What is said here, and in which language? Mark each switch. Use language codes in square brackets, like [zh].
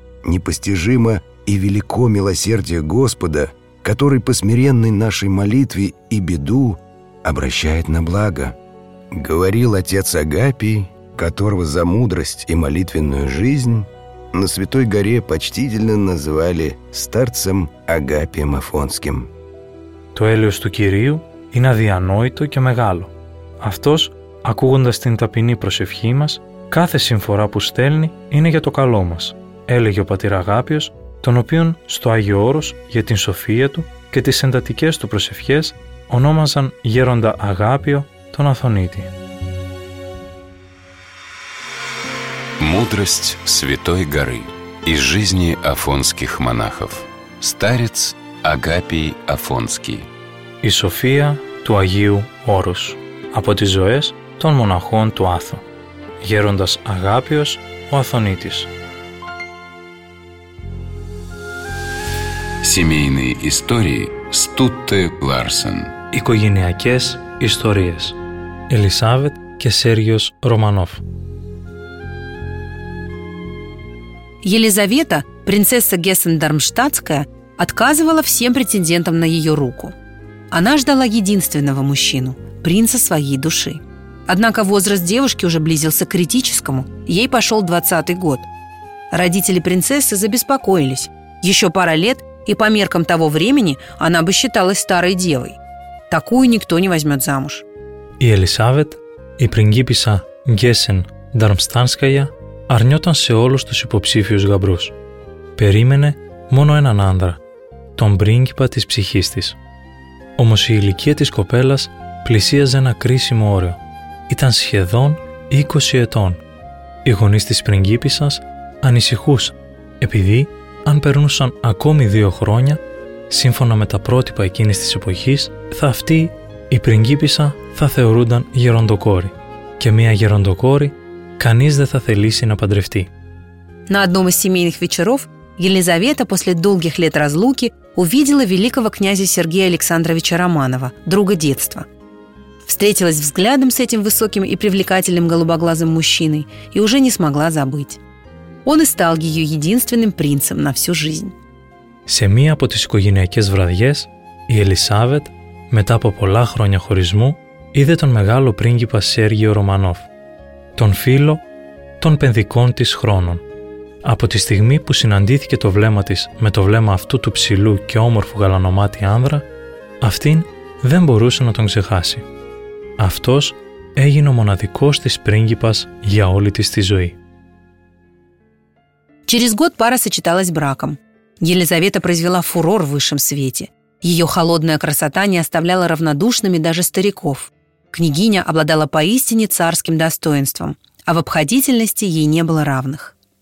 [ru] Непостижимо и велико милосердие Господа, который по смиренной нашей молитве и беду обращает на благо. Говорил отец Агапий, которого за мудрость и молитвенную жизнь на Святой Горе почтительно называли старцем Агапием Афонским. [el] Το έλεος του Κυρίου είναι αδιανόητο και μεγάλο. Αυτός, ακούγοντας την ταπεινή προσευχή μας, κάθε συμφορά που στέλνει είναι για το καλό μας, έλεγε ο πατήρ Αγάπιος, τον οποίον στο Άγιο Όρος για την σοφία του και τις εντατικές του προσευχές ονόμαζαν γέροντα Αγάπιο τον Αθωνίτη. [ru] Мудрость Святой Горы из жизни афонских монахов. Старец Агапий Афонский. [el] И София του Агию Όρους. Από τις ζωές των μοναχών του Άθου. Γέροντας Αγάπιος ο Αθωνίτης. [ru] Семейные истории Стутте Ларсен. [el] Οικογενειακές ιστορίες. Ελισάβετ και Σέργιος Ρωμανόφ. [ru] Елизавета, принцесса Гессен-Дармштадтская, отказывала всем претендентам на ее руку. Она ждала единственного мужчину, принца своей души. Однако возраст девушки уже близился к критическому, ей пошел 20-й год. Родители принцессы забеспокоились. Еще пара лет, и по меркам того времени она бы считалась старой девой. Такую никто не возьмет замуж. [el] И Елизавет, и принцесса Гессен-Дармштадтская αρνιόταν σε όλους τους υποψήφιους γαμπρούς. Περίμενε μόνο έναν άνδρα, τον πρίγκιπα της ψυχής της. Όμως η ηλικία της κοπέλας πλησίαζε ένα κρίσιμο όριο. Ήταν σχεδόν 20 ετών. Οι γονείς της πριγκίπισσας ανησυχούσαν, επειδή αν περνούσαν ακόμη 2 χρόνια, σύμφωνα με τα πρότυπα εκείνης της εποχής, θα αυτή η πριγκίπισσα θα θεωρούνταν γεροντοκόρη. Και μία γεροντοκόρη κανείς δεν θα θελήσει να παντρευτεί. [ru] На одном из семейных вечеров Елизавета после долгих лет разлуки увидела великого князя Сергея Александровича Романова, друга детства. Встретилась взглядом с этим высоким и привлекательным голубоглазым мужчиной и уже не смогла забыть. Он и стал ее единственным принцем на всю жизнь. [el] Σε μία από τις οικογενειακές βραδιές, η Ελισάβετ, μετά από πολλά χρόνια χωρισμού, είδε τον μεγάλο πρίγκιπα Σέργιο Ρωμανόφ, τον φίλο των παιδικών της χρόνων. Από τη στιγμή που συναντήθηκε το βλέμμα της με το βλέμμα αυτού του ψηλού και όμορφου γαλανομάτι άνδρα, αυτήν δεν μπορούσε να τον ξεχάσει. Αυτός έγινε ο μοναδικός της πρίγκιπας για όλη της τη ζωή. [ru] Через год пара сочеталась браком. Елизавета произвела фурор в высшем свете. Ее холодная красота не оставляла равнодушными даже стариков. Княгиня обладала поистине царским достоинством, а в обходительности ей не было равных.